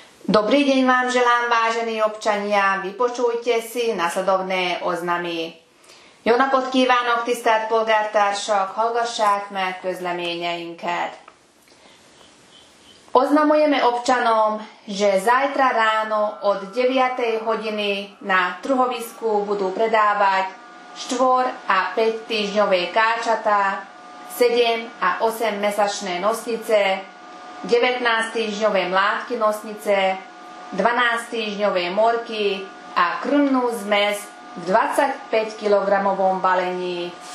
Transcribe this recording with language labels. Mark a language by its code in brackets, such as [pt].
[sk] Dobrý deň vám želám, vážení občania, vypočujte si nasledovné oznamy. [hu] Jó napot kívánok, tisztelt polgártársak, hallgassák meg közleményeinket. [sk] Oznamujeme občanom, že zajtra ráno od 9. hodiny na truhovisku budú predávať 4 a 5 týždňové káčatá, 7 a 8 mesačné nosnice, 19 týždňové mlátky nosnice, 12 týždňové morky a krmnú zmes v 25 kg balení.